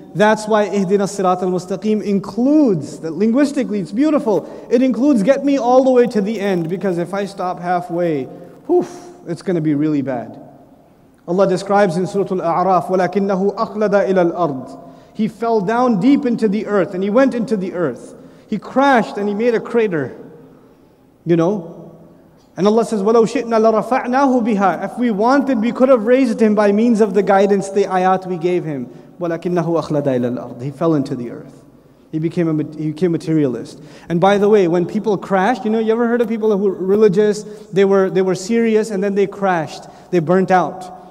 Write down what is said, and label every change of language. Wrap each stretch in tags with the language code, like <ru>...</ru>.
<en>That's why</en> <ar>اِهْدِنَا الصِّرَاطَ الْمُسْتَقِيمِ</ar> <en>includes, that linguistically it's beautiful, it includes get me all the way to the end, because if I stop halfway, whew, it's going to be really bad. Allah describes in Surah Al-A'raf,</en> <ar>وَلَكِنَّهُ أَخْلَدَ إِلَى الْأَرْضِ.</ar> <en>He fell down deep into the earth, and he went into the earth. He crashed and he made a crater. You know? And Allah says,</en> <ar>وَلَوْ شِئْنَا لَرَفَعْنَاهُ بِهَا.</ar> <en>If we wanted, we could have raised him by means of the guidance, the ayat we gave him.</en> <ar>وَلَكِنَّهُ أَخْلَدَ إِلَى الْأَرْضِ.</ar> <en>He fell into the earth. He became materialist. And by the way, when people crashed, you know, you ever heard of people who were religious, they were serious, and then they crashed. They burnt out.</en>